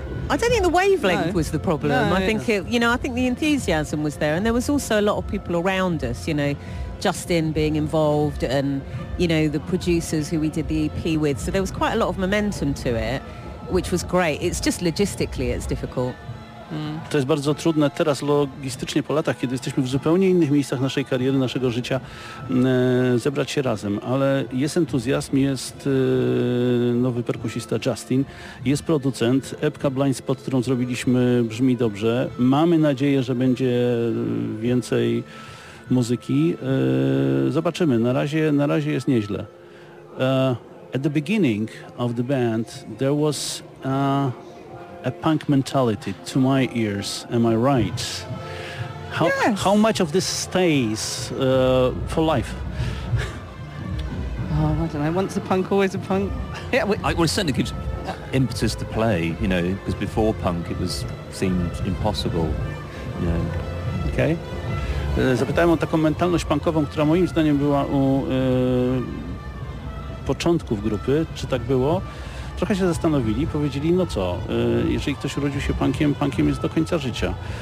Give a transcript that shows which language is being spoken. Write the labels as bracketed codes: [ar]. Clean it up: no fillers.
[en] I don't think the wavelength was the problem. I think the enthusiasm was there, and there was also a lot of people around us, you know, Justin being involved and, you know, the producers who we did the EP with. So there was quite a lot of momentum to it, which was great. It's just logistically it's difficult. [pl] To jest bardzo trudne teraz logistycznie po latach, kiedy jesteśmy w zupełnie innych miejscach naszej kariery, naszego życia, zebrać się razem, ale jest entuzjazm, jest nowy perkusista Justin, jest producent, epka Blind Spot, którą zrobiliśmy, brzmi dobrze, mamy nadzieję, że będzie więcej muzyki, zobaczymy, na razie jest nieźle. [en] At the beginning of the band there was a punk mentality to my ears, am I right? How much of this stays for life? Oh, I don't know, once a punk, always a punk. It certainly gives impetus to play, you know, because before punk it was seemed impossible, you know. Okay. [pl] Zapytałem o taką mentalność punkową, która moim zdaniem była u początków grupy, czy tak było? Trochę się zastanowili, powiedzieli, no co, jeżeli ktoś urodził się punkiem, punkiem jest do końca życia.